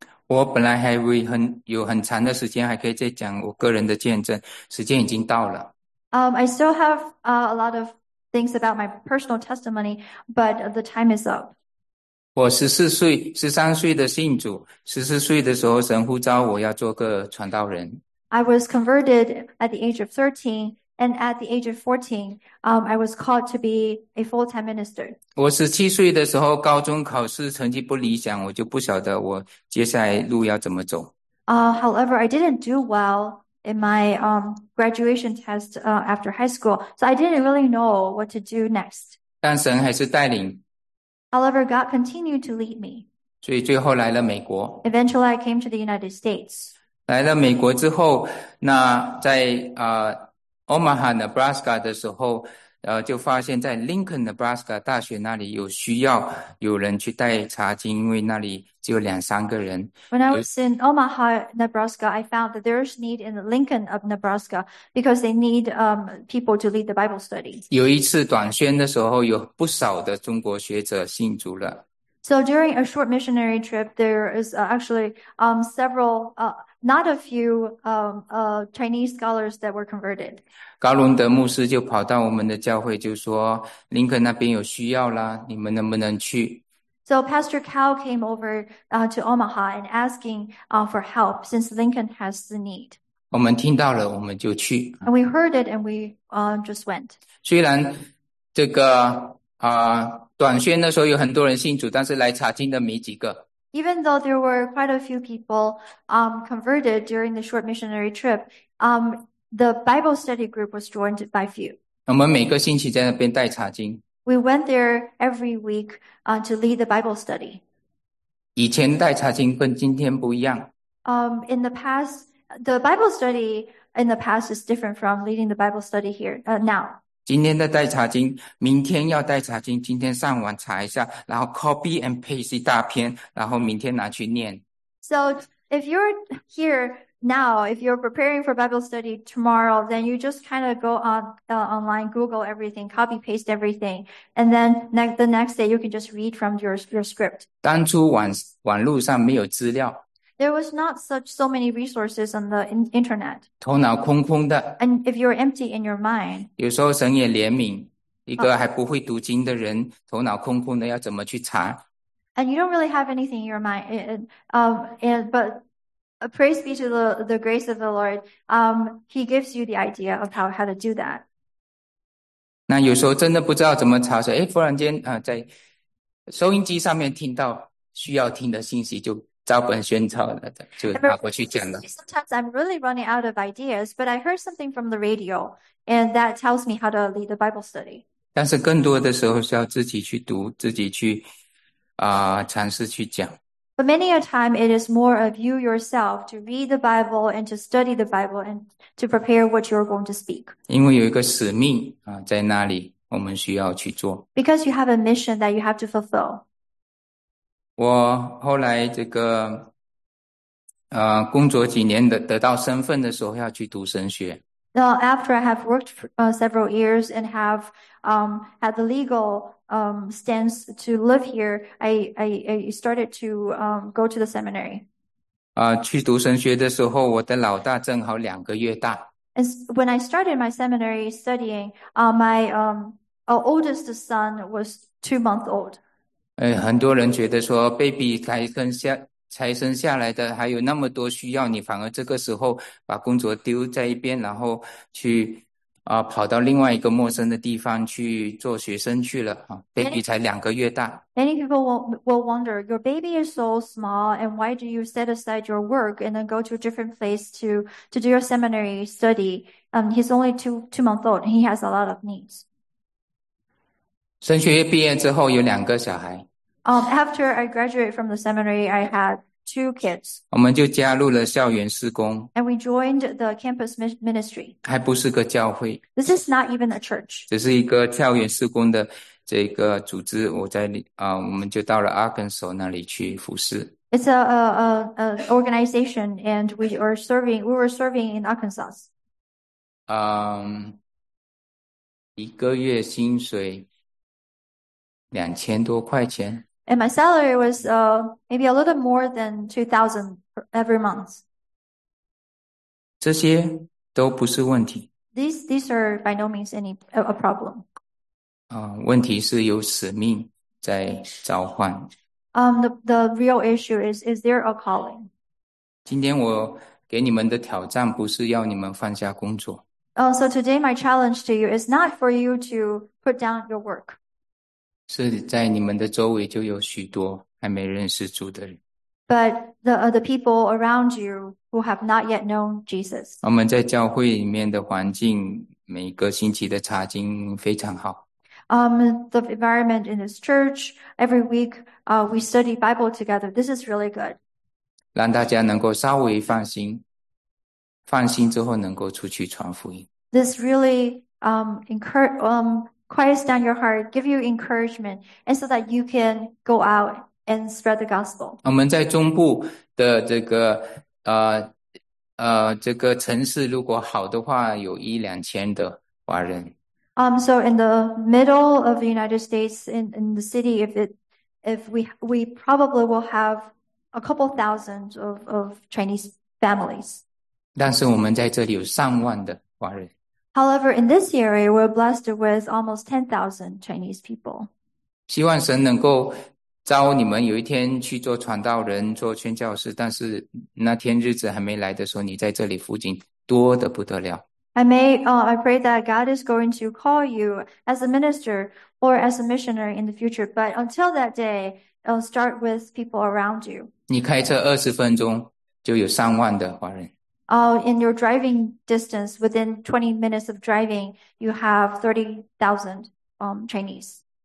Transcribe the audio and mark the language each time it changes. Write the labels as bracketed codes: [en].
[zh] 我本来还会有很长的时间，还可以再讲我个人的见证。时间已经到了。 [en] I still have a lot of things about my personal testimony, but the time is up. [zh] 我13岁的信主，14岁的时候，神呼召我要做个传道人。 [en] I was converted at the age of 13, and at the age of 14, I was called to be a full-time minister. [zh] 我17岁的时候，高中考试成绩不理想，我就不晓得我接下来路要怎么走。 [en] However, I didn't do well in my graduation test after high school, so I didn't really know what to do next. [zh] 但神还是带领。 [en] However, God continued to lead me. [zh] 所以最后来了美国。 [en] Eventually, I came to the United States. [zh] 来了美国之后，那在Omaha, Nebraska 的时候，就发现在 Lincoln, Nebraska 大学那里有需要有人去带查经，因为那里只有两三个人。 [en] When I was in Omaha, Nebraska, I found that there's need in the Lincoln of Nebraska because they need people to lead the Bible study. [zh] 有一次短宣的时候，有不少的中国学者信主了。 [en] So during a short missionary trip, there is actually several, not a few, Chinese scholars that were converted. [zh] 高伦德牧师就跑到我们的教会，就说林肯那边有需要啦，你们能不能去？ [en] So Pastor Cao came over to Omaha and asking for help since Lincoln has the need. [zh] 我们听到了，我们就去。 [en] And we heard it and we just went. [zh] 虽然这个短宣的时候有很多人信主，但是来查经的没几个。 [en] Even though there were quite a few people converted during the short missionary trip, the Bible study group was joined by few. [zh] 我们每个星期在那边带查经。 [en] We went there every week to lead the Bible study. [zh] 以前带查经跟今天不一样。 [en] In the past, the Bible study in the past is different from leading the Bible study here now. [zh] 今天的带查经，明天要带查经，今天上网查一下，然后 [en] copy and paste [zh] 一大篇，然后明天拿去念。 [en] So if you're here now, if you're preparing for Bible study tomorrow, then you just kind of go on online, Google everything, copy paste everything, and then the next day you can just read from your script. [zh] 当初网路上没有资料。 [en] There was not so many resources on the internet. [zh] 头脑空空的。 [en] And if you're empty in your mind. [zh] 有时候神也怜悯一个还不会读经的人，头脑空空的要怎么去查。 [en] And you don't really have anything in your mind, but praise be to the grace of the Lord. He gives you the idea of how to do that. [zh] 那有时候真的不知道怎么查，说，忽然间在收音机上面听到需要听的信息，就照本宣抄的就拿过去讲了。 [en] Sometimes I'm really running out of ideas, but I heard something from the radio, and that tells me how to lead the Bible study. [zh] 但是更多的时候是要自己去读，自己去尝试去讲。 [en] But many a time, it is more of you yourself to read the Bible and to study the Bible and to prepare what you're going to speak. [zh] 因为有一个使命在那里，我们需要去做。 [en] Because you have a mission that you have to fulfill. [zh] 我后来这个工作几年得到身份的时候，要去读神学。 [en] Now, after I have worked for several years and have had the legal stance to live here, I started to go to the seminary. [zh] 去读神学的时候，我的老大正好两个月大。 [en] And when I started my seminary studying, my oldest son was 2 months old. [zh] 很多人觉得说 ，baby 才生下来的还有那么多需要，你反而这个时候把工作丢在一边，然后去跑到另外一个陌生的地方去做学生去了啊 ！Baby 才两个月大。 [en] Many people will wonder, your baby is so small, and why do you set aside your work and then go to a different place to do your seminary study? He's only two months old. He has a lot of needs. [zh] 神学院毕业之后有两个小孩。 [en] After I graduated from the seminary, I had two kids. [zh] 我们就加入了校园事工。 [en] And we joined the campus ministry. [zh] 还不是个教会。 [en] This is not even a church. [zh] 只是一个校园事工的这个组织，我们就到了 Arkansas 那里去服事。 [en] It's a organization, and we were serving in Arkansas. [zh] 一个月薪水2000多块钱。 [en] And my salary was maybe a little more than 2,000 every month. [zh] 这些都不是问题。 [en] These are by no means a problem. [zh] 问题是有使命在召唤。 [en] The real issue is there a calling? [zh] 今天我给你们的挑战不是要你们放下工作。 [en] Oh, so today my challenge to you is not for you to put down your work. [zh] 是在你们的周围就有许多还没认识主的人。 [en] But the people around you who have not yet known Jesus. [zh] 我们在教会里面的环境，每个星期的查经非常好。 [en] The environment in this church, every week, we study Bible together. This is really good. [zh] 让大家能够稍微放心，放心之后能够出去传福音。 [en] This really quiets down your heart, give you encouragement, and so that you can go out and spread the gospel. [zh] 我们在中部的这个这个城市如果好的话，有1-2千的华人。 [en] So in the middle of the United States, in the city, if we probably will have a couple thousand of Chinese families. [zh] 但是我们在这里有30,000的华人。 [en] However, in this area, we're blessed with almost 10,000 Chinese people. [zh] 希望神能够召你们有一天去做传道人、做宣教士，但是那天日子还没来的时候，你在这里附近多得不得了。 [en] I pray that God is going to call you as a minister or as a missionary in the future, but until that day, start with people around you. [zh] 你开车20分钟就有30,000的华人。 [en] In your driving distance, within 20 minutes of driving, you have 30,000, Chinese.